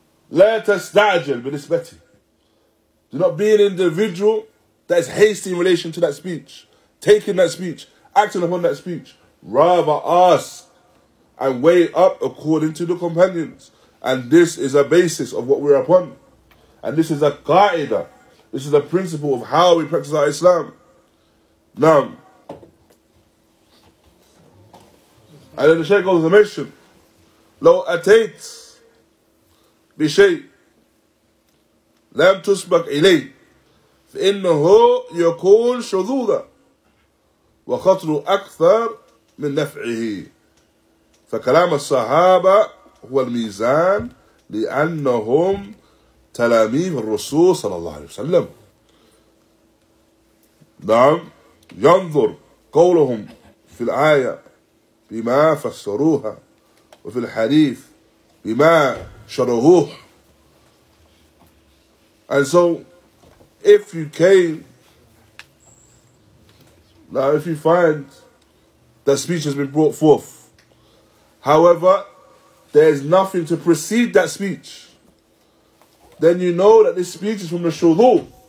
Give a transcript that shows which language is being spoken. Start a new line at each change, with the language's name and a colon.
English: Let us da'ajil bi nisbati. Do not be an individual that is hasty in relation to that speech, taking that speech, acting upon that speech. Rather ask and weigh up according to the companions. And this is a basis of what we're upon. And this is a qa'ida. This is a principle of how we practice our Islam. Now, and then the Shaykh goes to mention,
Arabic: لو أتيت بشيء لم تسبق إليه فإنه يكون شذوذا وخطر أكثر من نفعه فكلام الصحابة هو الميزان لأنهم تلاميذ الرسول صلى الله عليه وسلم. نعم ينظر قولهم في الآية بما فسروها وفي الحديث بما شرهوه.
English: And so if you came, now if you find that speech has been brought forth, however there is nothing to precede that speech, then you know that this speech is from the shudhu.